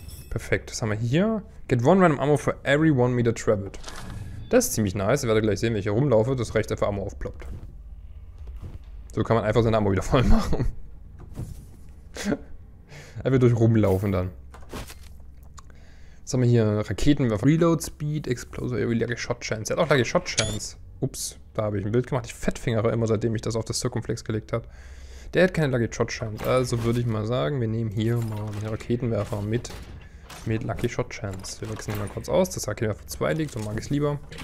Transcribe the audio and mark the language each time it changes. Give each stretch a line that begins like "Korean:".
German: Perfekt, das haben wir hier.
English: Get one random ammo for every 1 meter traveled.
German: Das ist ziemlich nice. Ihr werdet gleich sehen, wenn ich hier rumlaufe, dass rechts einfach Ammo aufploppt. So kann man einfach seine Ammo wieder voll machen. Einfach durch rumlaufen dann. Was haben wir hier? Raketenwerfer.
English: Reload Speed, Explosive, every lucky shot chance.
German: Er hat auch lucky shot chance. Ups, da habe ich ein Bild gemacht. Ich fettfingere immer, seitdem ich das auf das Circumflex gelegt habe. Der hat keine lucky shot chance. Also würde ich mal sagen, wir nehmen hier mal den Raketenwerfer mit. Mit Lucky Shot Chance. Wir wechseln ihn mal kurz aus. Das hat hier 2 liegt, so mag ich es lieber.